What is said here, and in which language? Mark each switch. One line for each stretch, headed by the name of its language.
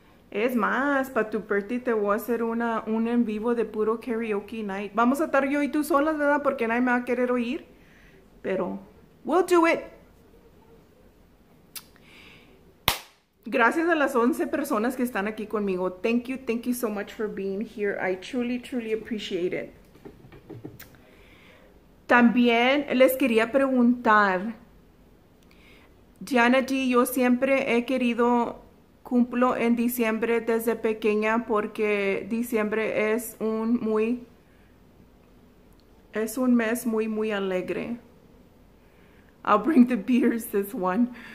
Spanish: Es más, para tu birthday te voy a hacer un en vivo de puro
English: karaoke night.
Spanish: Vamos a estar yo y tú solas, ¿verdad? Porque nadie me va a querer oír. Pero,
English: we'll do it.
Spanish: Gracias a las 11 personas que están aquí conmigo.
English: Thank you so much for being here. I truly, truly appreciate it.
Spanish: También les quería preguntar, Diana G, yo siempre he querido... Cumplo en diciembre desde pequeña porque diciembre es un mes muy, muy alegre.
English: I'll bring the beers this one.